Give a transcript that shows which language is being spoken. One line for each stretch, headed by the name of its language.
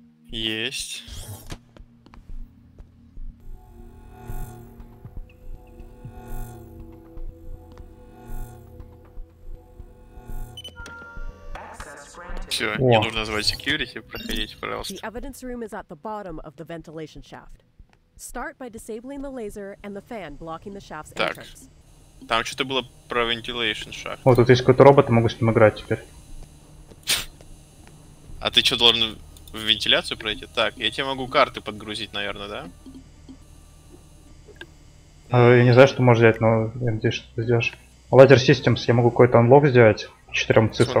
Russian: Есть. Все, не нужно звать security, проходите, пожалуйста.
English: The evidence room is at the bottom of the ventilation shaft. Start by disabling the laser and the fan blocking the shaft's entrance.
Russian: Так. Там что-то было про
English: ventilation shaft.
Russian: Вот тут есть какой-то робот, могу с ним играть теперь. А ты что, должен в вентиляцию пройти? Так, я тебе могу карты подгрузить, наверное, да? Я не знаю, что можешь взять, но я надеюсь, что ты сделаешь. Laser Systems, я могу какой-то unlock сделать. Четырем цифрам.